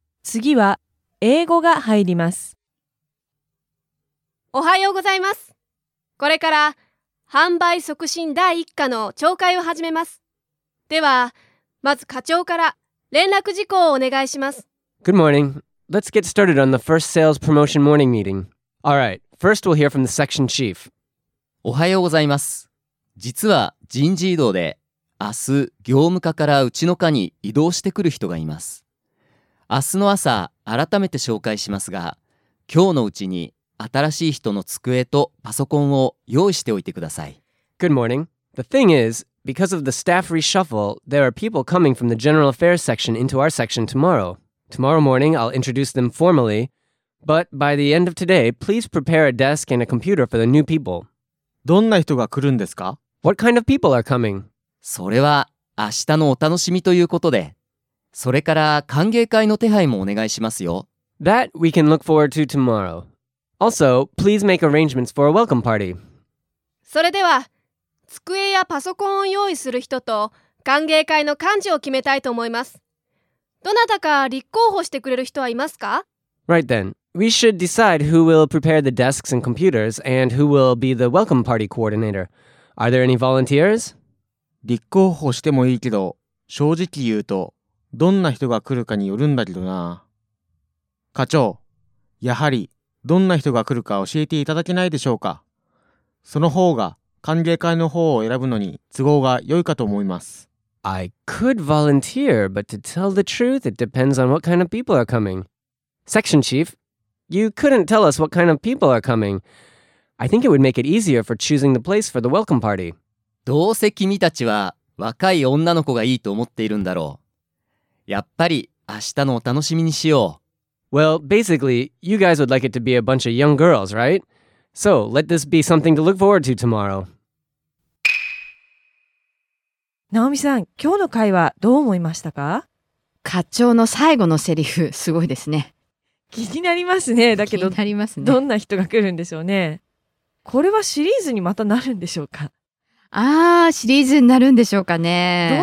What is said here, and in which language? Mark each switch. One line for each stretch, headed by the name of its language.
Japanese: 次は英語が入ります。おはようございます。これから販売促進第一課の聴会を始めます。ではまず課長から連絡事項をお願いします。
English: Good morning. Let's get started on the first sales promotion morning meeting. All right. First, we'll hear from the section chief.
Japanese: おはようございます。実は人事異動で明日業務課からうちの課に移動してくる人がいます。明日の朝改めて紹介しますが、今日のうちに新しい人の机とパソコンを用意しておいてください。
English: Good morning. The thing is, because of the staff reshuffle, there are people coming from the general affairs section into our section tomorrow. Tomorrow morning, I'll introduce them formally. But by the end of today, please prepare a desk and a computer for the new people.
Japanese: どんな人が来るんですか?
English: What kind of people are coming?
Japanese: それは明日のお楽しみということで。それから歓迎会の手配もお願いしますよ。
English: That we can look forward to tomorrow. Also, please make arrangements for a welcome party.
Japanese: それでは、机やパソコンを用意する人と歓迎会の幹事を決めたいと思います。どなたか立候補してくれる人はいますか?
English: Right then. We should decide who will prepare the desks and computers and who will be the welcome party coordinator. Are there any volunteers?
Japanese: 立候補してもいいけど、正直言うと、どんな人が来るかによるんだけどな。課長、やはりどんな人が来るか教えていただけないでしょうか。その方が歓迎会の方を選ぶのに都合が良いかと思います。
English: I could volunteer, but to tell the truth, it depends on what kind of people are coming. Section Chief, you couldn't tell us what kind of people are coming. I think it would make it easier for choosing the place for the welcome party.
Japanese: どうせ君たちは若い女の子がいいと思っているんだろう。やっぱり明日のお楽しみにしよう。
English: Well, basically, you guys would like it to be a bunch of young girls, right? So, let this be something to look forward to tomorrow.
Japanese: ナオミさん、今日の会話どう思いましたか？課長の最後のセリフ、すごいですね。気になりますね。だけど、気になりますね。どんな人が来るんでしょうね。これはシリーズにまたなるんでしょうか？あー、シリーズになるんでしょうかね。